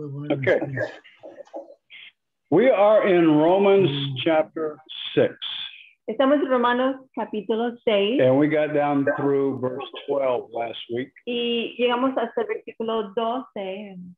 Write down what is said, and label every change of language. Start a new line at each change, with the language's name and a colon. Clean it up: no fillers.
English: Okay. We are in Romans chapter 6.
Spanish: Estamos en Romanos capítulo 6.
English: And we got down through verse 12 last week.
Spanish: Y llegamos hasta el versículo 12.